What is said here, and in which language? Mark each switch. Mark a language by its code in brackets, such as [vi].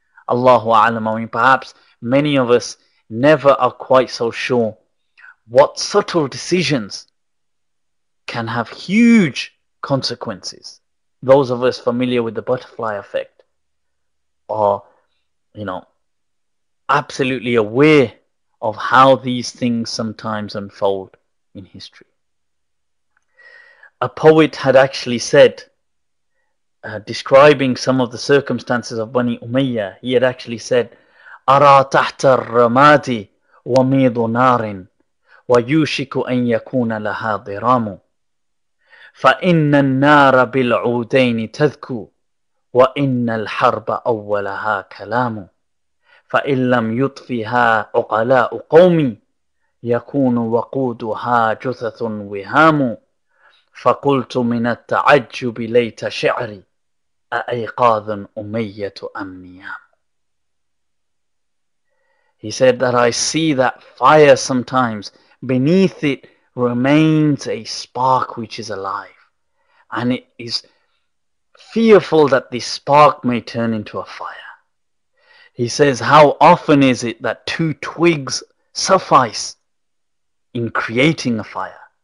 [ar] Allahu A'lam, [en] I mean, perhaps many of us never are quite so sure what subtle decisions can have huge consequences. Those of us familiar with the butterfly effect are, you know, absolutely aware of how these things sometimes unfold in history. A poet had actually said, describing some of the circumstances of Bani Umayyah, he had actually said, [ar] أَرَى تَحْتَ الرَّمَادِ وَمِيدُ نَارٍ وَيُوشِكُ أَن يَكُونَ لَهَا ضِرَامٌ فَإِنَّ النَّارَ بِالْعُودَيْنِ تَذْكُو وَإِنَّ الْحَرْبَ أَوَّلَهَا كَلَامٌ فَإِنْ لَمْ يُطْفِهَا أُقَلَاءُ قَوْمِ يَكُونُ وَقُودُهَا جُثَثٌ وِهَامُ فَقُلْتُ مِنَ التَّعَجُّبِ لَيْتَ شِعْرِ أَأَيْقَاظٌ أُمَيَّةُ أَمْنِيَامُ. [en] He said that I see that fire sometimes, beneath it remains a spark which is alive. and it is fearful that the spark may turn into a fire. He says, how often is it that two twigs suffice in creating a fire?